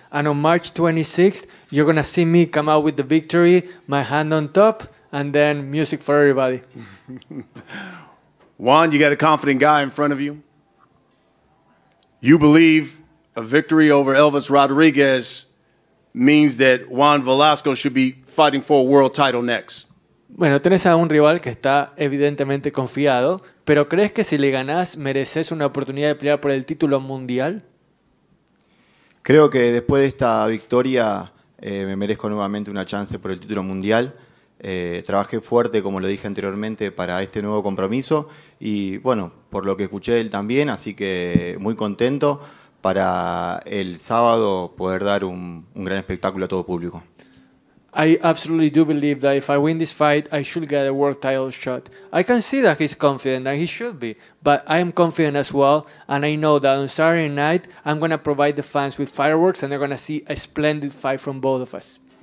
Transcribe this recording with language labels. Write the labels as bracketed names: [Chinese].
[English] And on March 26th, you're going to see me come out with the victory, my hand on top, and then music for everybody. Juan, you got a confident guy in front of you. You believe a victory over Elvis Rodriguez means that Juan Velasco should be fighting for a world title next. [Spanish] Bueno, tenés a un rival que está evidentemente confiado, pero ¿crees que si le ganás mereces una oportunidad de pelear por el título mundial? Creo que después de esta victoria me merezco nuevamente una chance por el título mundial. Trabajé fuerte, como lo dije anteriormente, para este nuevo compromiso y bueno, por lo que escuché él también, así que muy contento para el sábado poder dar un gran espectáculo a todo público. [English] I absolutely do believe that if I win this fight, I should get a world title shot. I can see that he's confident, and he should be. But I am confident as well, and I know that on Saturday night, I'm going to provide the fans with fireworks, and they're going to see a splendid fight from both of us.